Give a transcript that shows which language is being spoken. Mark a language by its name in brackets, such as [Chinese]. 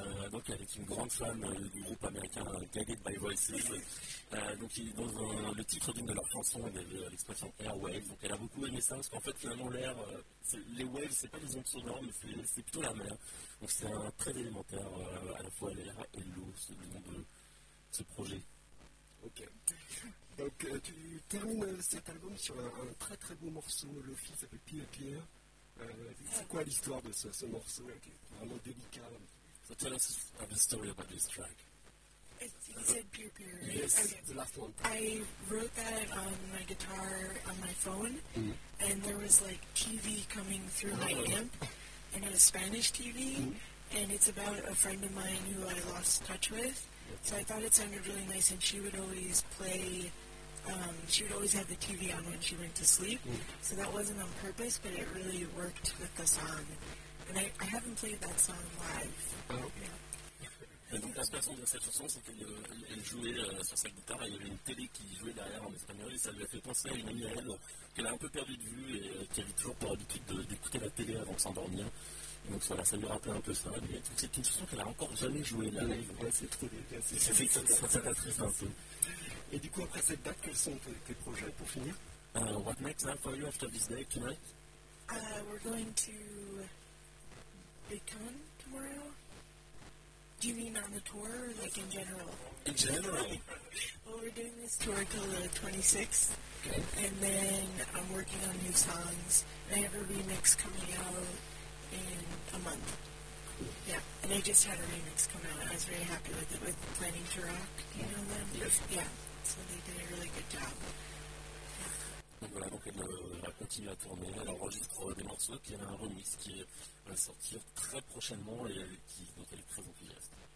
[French] Donc avec une grande fan du groupe américain Guided by Voices, donc dans le titre d'une de leurs chansons, il y avait l'expression Airwaves, donc elle a beaucoup aimé ça, parce qu'en fait finalement l'air, les waves c'est pas des ondes sonores, mais c'est plutôt la mer, donc c'est un très élémentaire à la fois l'air et l'eau, c'est le nom de ce projet. Ok. Donc tu termines cet album sur un très très beau morceau, Lofi, ça s'appelle Pierre Pierre. C'est quoi l'histoire de ce morceau qui est vraiment délicat? [English] So tell us the story about this track. You said Pure Pure. Yes, okay. The last one. I wrote that on my guitar on my phone, and there was like TV coming through my amp, and it was Spanish TV, and it's about a friend of mine who I lost touch with, so I thought it sounded really nice, and she would always play. She would always have the TV on when she went to sleep, so that wasn't on purpose, but it really worked with the song. And I haven't played that song live. [French] Et donc, l'inspiration de cette chanson, c'est qu'elle jouait sur sa guitare et il y avait une télé qui jouait derrière en espagnol et ça lui a fait penser à une amie à elle qu'elle a un peu perdu de vue et qui avait toujours pour habitude d'écouter la télé avant de s'endormir. Et donc voilà, ça lui rappelait un peu ça. Mais, donc, c'est une chanson qu'elle a encore jamais jouée là. Ouais, c'est trop délicat. Ça t'attriste un peu. Et du coup, après cette date, quels sont tes projets pour finir? [English] What next now for you after this day, tonight? We're going to Bitcoin tomorrow. Do you mean on the tour or like in general? In general? Well, we're doing this tour until the 26th. Okay. And then I'm working on new songs. I have a remix coming out in a month. Yeah, and I just had a remix come out. I was very happy with it, with Planning to Rock. Do you know them? Yes. Yeah. So they did a really good job. [French] Donc voilà, donc elle va continuer à tourner, elle enregistre des morceaux, puis elle a un remix qui va sortir très prochainement et dont elle est très enthousiaste.